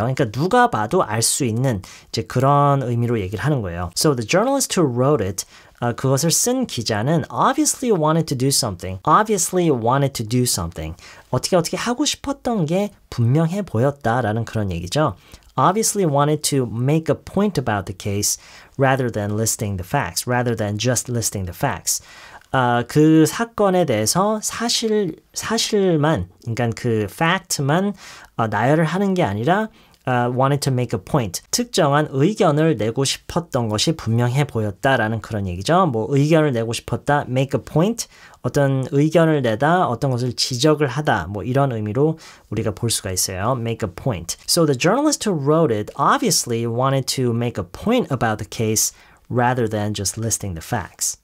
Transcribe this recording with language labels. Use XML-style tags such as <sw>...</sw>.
<ko>그러니까 누가 봐도 알 수 있는 이제 그런 의미로 얘기를 하는 거예요.</ko> <en>So the journalist who wrote it,</en> <ko>그것을 쓴 기자는</ko> <en>obviously wanted to do something. Obviously wanted to do something.</en> <ko>어떻게 어떻게 하고 싶었던 게 분명해 보였다라는 그런 얘기죠.</ko> <en>obviously wanted to make a point about the case rather than listing the facts, rather than just listing the facts.</en> <ko>그 사건에 대해서 사실만, 그러니까 그 fact만 나열을 하는 게 아니라</ko> <en>wanted to make a point,</en> <ko>특정한 의견을 내고 싶었던 것이 분명해 보였다라는 그런 얘기죠. 뭐 의견을 내고 싶었다, make a point, 어떤 의견을 내다, 어떤 것을 지적을 하다, 뭐 이런 의미로 우리가 볼 수가 있어요.</ko> <en>Make a point. So the journalist who wrote it obviously wanted to make a point about the case rather than just listing the facts.</en>